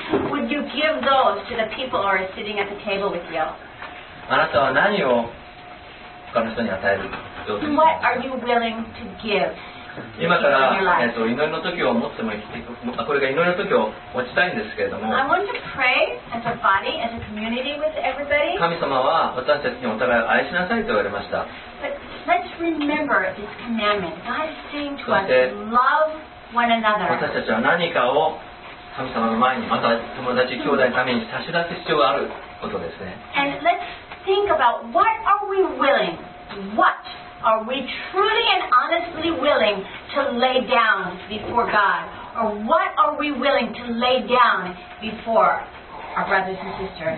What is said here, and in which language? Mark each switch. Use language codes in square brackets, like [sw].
[en] Would you give those to the people who are sitting at the table with you? [ja] あなたは何を他の人に与えるどう [en] What are you willing to give? [ja] 今から祈りの時を持ってもいいこれが祈りの時を持ちたいんですけれども。 [en] I want to pray as a body, as a community with everybody. [ja] 神様は私たちにお互いを愛しなさいと言われました。 [en] But let's remember this commandment. God is saying to us, love one another. [ja] 私たちは何かを神様の前にまた友達兄弟のために差し出す必要があることですね。 [en] And let's think about what are we willing, what are we truly and honestly willing to lay down before God, or what are we willing to lay down before our brothers and sisters?